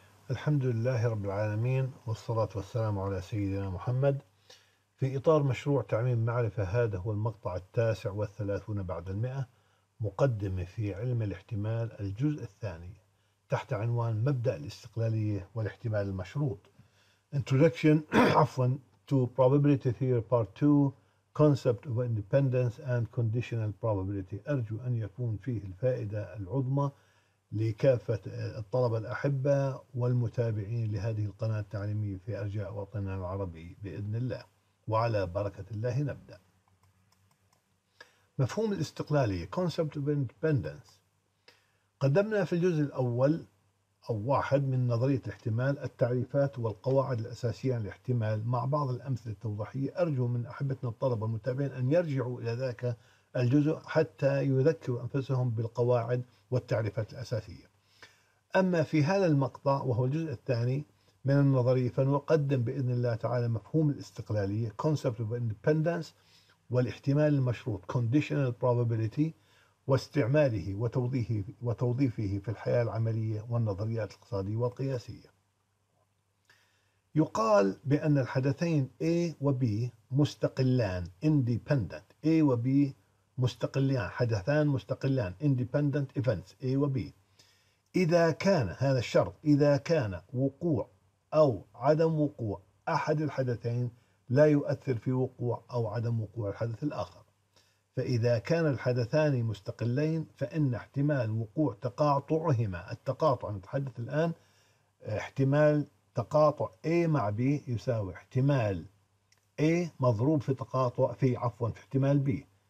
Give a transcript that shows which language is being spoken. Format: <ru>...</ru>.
<ar>الحمد لله رب العالمين، والصلاة والسلام على سيدنا محمد. في إطار مشروع تعميم معرفة، هذا هو المقطع 39 بعد 100، مقدمة في علم الاحتمال الجزء الثاني، تحت عنوان مبدأ الاستقلالية والاحتمال المشروط.</ar> <en>Introduction to Probability Theory Part 2 Concept of Independence and Conditional Probability.</en> <ar>أرجو أن يكون فيه الفائدة العظمى لكافة الطلبة الأحبة والمتابعين لهذه القناة التعليمية في أرجاء وطننا العربي بإذن الله، وعلى بركة الله نبدأ. مفهوم الاستقلالية</ar> <en>Concept of Independence.</en> <ar>قدمنا في الجزء الأول أو واحد من نظرية الاحتمال التعريفات والقواعد الأساسية للاحتمال مع بعض الأمثلة التوضيحية. أرجو من أحبتنا الطلبة المتابعين أن يرجعوا إلى ذاك الجزء حتى يذكروا أنفسهم بالقواعد والتعريفات الأساسية. أما في هذا المقطع وهو الجزء الثاني من النظرية، فنقدم بإذن الله تعالى مفهوم الاستقلالية</ar> <en>Concept of Independence</en> <ar>والاحتمال المشروط</ar> <en>Conditional Probability،</en> <ar>واستعماله وتوظيفه في الحياة العملية والنظريات الاقتصادية والقياسية. يقال بأن الحدثين A و B مستقلان independent. A و B مستقلان، حدثان مستقلان</ar> <en>independent events</en> <ar>A و B. إذا كان هذا الشرط، إذا كان وقوع أو عدم وقوع أحد الحدثين لا يؤثر في وقوع أو عدم وقوع الحدث الآخر. فإذا كان الحدثان مستقلين فإن احتمال وقوع تقاطعهما، التقاطع نتحدث الآن احتمال تقاطع A مع B يساوي احتمال A مضروب في تقاطع في احتمال B.</ar>